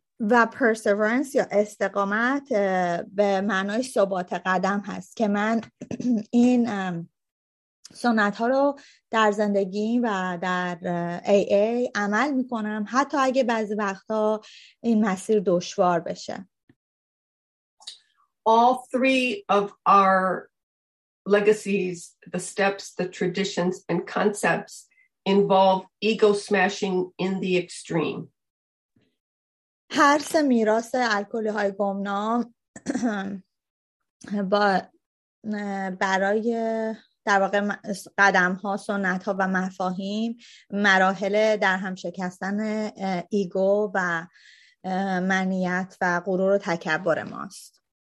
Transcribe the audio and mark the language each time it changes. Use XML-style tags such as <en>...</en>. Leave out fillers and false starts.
<fa>و پرسیورنس یا استقامت به معنای ثبات قدم هست که من این سنت ها رو در زندگی و در AA عمل میکنم حتی اگه بعضی وقتا این مسیر دشوار بشه.</fa> <en>all three of our legacies, the steps, the traditions, and concepts involve ego smashing in the extreme.</en> <fa>هر سه میراث الکلی های گمنام با برای در واقع قدم ها، سنت ها و مفاهیم مراحل در هم شکستن ایگو و منیت و غرور و تکبر ماست.</fa>